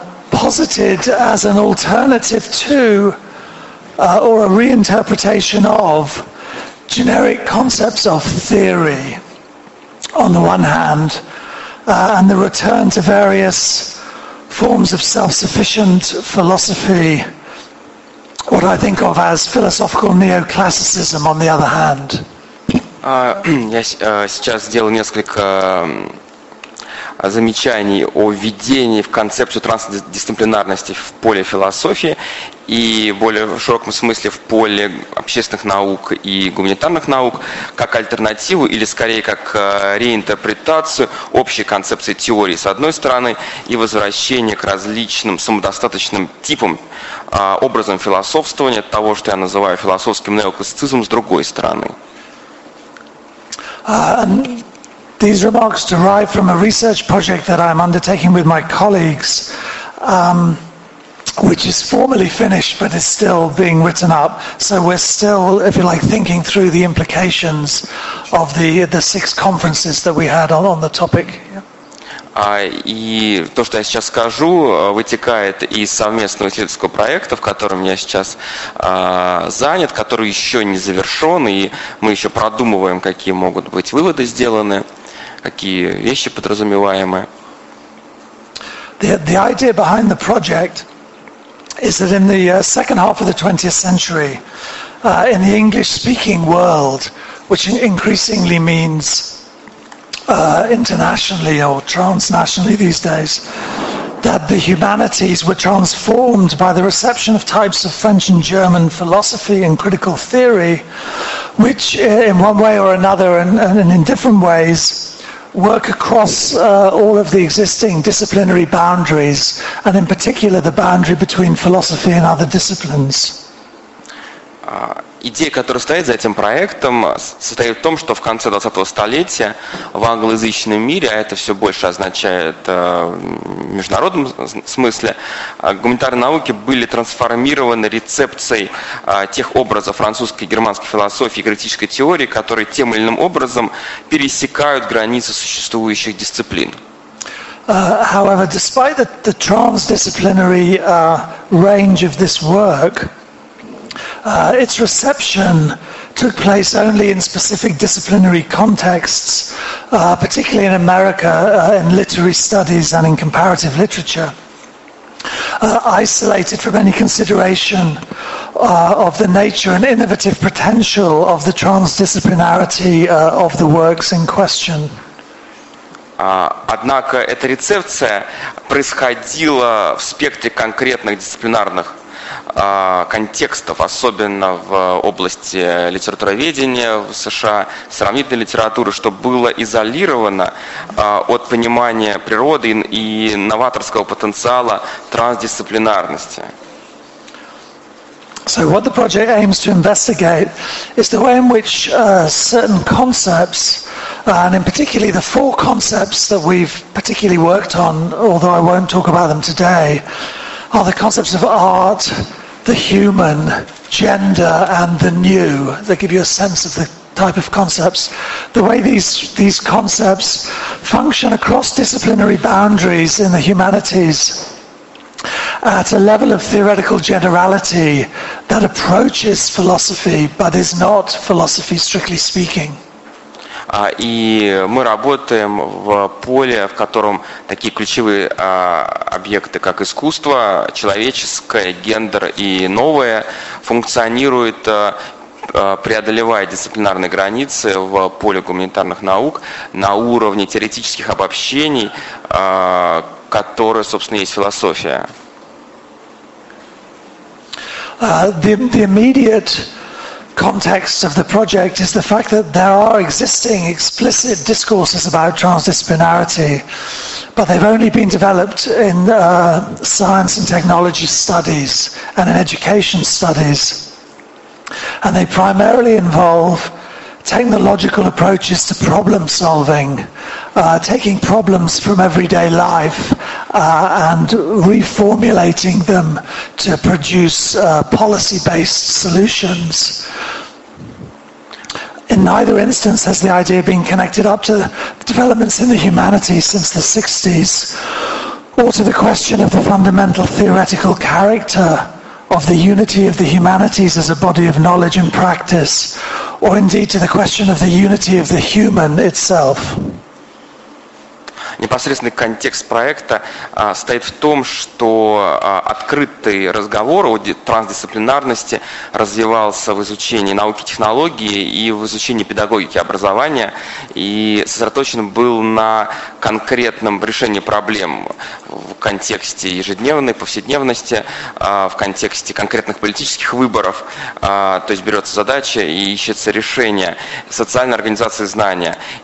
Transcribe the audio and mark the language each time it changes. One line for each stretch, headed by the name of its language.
English: posited as an alternative to or a reinterpretation of generic concepts of theory on the one hand, and the return to various forms of self-sufficient philosophy, what I think of as philosophical neoclassicism, on the other hand.
Russian: Я сейчас сделаю несколько замечаний о введении в концепцию трансдисциплинарности в поле философии и в более широком смысле в поле общественных наук и гуманитарных наук как альтернативу или скорее как реинтерпретацию общей концепции теории с одной стороны и возвращение к различным самодостаточным типам, образом философствования, того, что я называю философским неоклассицизмом, с другой стороны.
English: These remarks derive from a research project that I'm undertaking with my colleagues, which is formally finished but is still being written up. So we're still, if you like, thinking through the implications of the 6 conferences that we had on the topic.
Russian: И то, что я сейчас скажу, вытекает из совместного исследовательского проекта, в котором я сейчас занят, который еще не завершен, и мы еще продумываем, какие могут быть выводы сделаны, какие вещи подразумеваемые.
English: The idea behind the project is that in the second half of the 20th century, in the English-speaking world, which increasingly means internationally or transnationally these days, that the humanities were transformed by the reception of types of French and German philosophy and critical theory, which in one way or another and in different ways work across all of the existing disciplinary boundaries, and in particular the boundary between philosophy and other disciplines.
Russian: Идея, которая стоит за этим проектом, состоит в том, что в конце 20-го столетия в англоязычном мире, а это все больше означает в международном смысле, гуманитарные науки были трансформированы рецепцией тех образов французской и германской философии и критической теории, которые тем или иным образом пересекают границы существующих дисциплин.
English: However, despite the transdisciplinary range of this work, its reception took place only in specific disciplinary contexts, particularly in America, in literary studies and in comparative literature, isolated from any consideration of the nature and innovative potential of the transdisciplinarity of the works in question.
Russian: Однако эта рецепция происходила в спектре конкретных дисциплинарных контекстов, особенно в области литературоведения в США, сравнительной литературы, что было изолировано от понимания природы и новаторского потенциала трансдисциплинарности.
English: So what the project aims to investigate is the way in which certain concepts, and in particular the four concepts that we've particularly worked on, although I won't talk about them today, are the concepts of art, the human, gender, and the new. They give you a sense of the type of concepts. The way these concepts function across disciplinary boundaries in the humanities at a level of theoretical generality that approaches philosophy, but is not philosophy, strictly speaking.
Russian: И мы работаем в поле, в котором такие ключевые объекты, как искусство, человеческое, гендер и новое, функционируют, преодолевая дисциплинарные границы в поле гуманитарных наук на уровне теоретических обобщений, которые, собственно, есть философия.
English: The immediate context of the project is the fact that there are existing explicit discourses about transdisciplinarity, but they've only been developed in science and technology studies and in education studies, and they primarily involve technological approaches to problem solving, taking problems from everyday life and reformulating them to produce policy-based solutions. In neither instance has the idea been connected up to the developments in the humanities since the 60s, or to the question of the fundamental theoretical character of the unity of the humanities as a body of knowledge and practice, or indeed to the question of the unity of the human itself.
Russian: Непосредственный контекст проекта стоит в том, что открытый разговор о трансдисциплинарности развивался в изучении науки и технологии и в изучении педагогики образования и сосредоточен был на конкретном решении проблем в контексте ежедневной повседневности, в контексте конкретных политических выборов, то есть берется задача и ищется решение социальной организации знания.